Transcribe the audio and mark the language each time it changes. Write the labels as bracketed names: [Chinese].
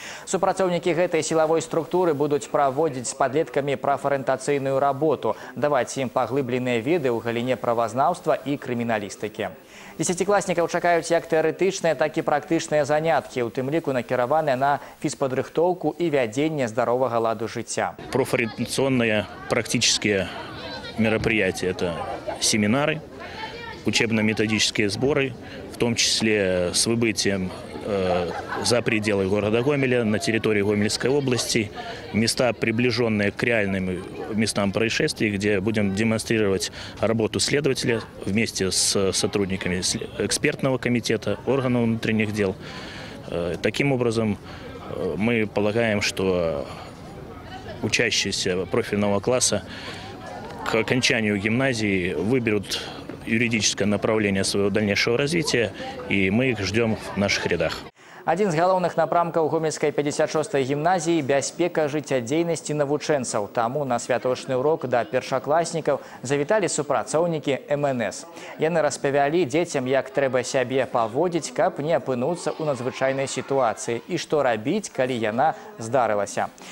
[Belarusian] Супрацоўнікі гэтай сілавой структуры будуць праводзіць з падлеткамі прафарыентацыйную работу, даваць ім паглыбленыя веды ў галіне правазнаўства і крыміналістыкі. Десятикласснікаў чакаюць як тэарэтычныя, так і практычныя заняткі, у тым ліку накіраваныя на фізпадрыхтоўку і вядзенне здаровага ладу жыцця. [Russian] Профориентационные практические мероприятия – это семинары, учебно-методические сборы, в том числе с выбытием за пределы города Гомеля, на территории Гомельской области, места, приближенные к реальным местам происшествий, где будем демонстрировать работу следователя вместе с сотрудниками экспертного комитета, органов внутренних дел. Таким образом, мы полагаем, что учащиеся профильного класса к окончанию гимназии выберут юридическое направление своего дальнейшего развития, и мы их ждем в наших рядах. [Belarusian] Один з галоўных напрамкаў Гомельскай 56-й гімназіі – бяспека жыццядзейнасці навучэнцаў. Таму на святочны урок да першакласнікаў завіталі супрацоўнікі МНС. Яны распавялі дзецям, як трэба сябе паводзіць, каб не апынуцца ў надзвычайнай сітуацыі і што рабіць, калі яна здарылася.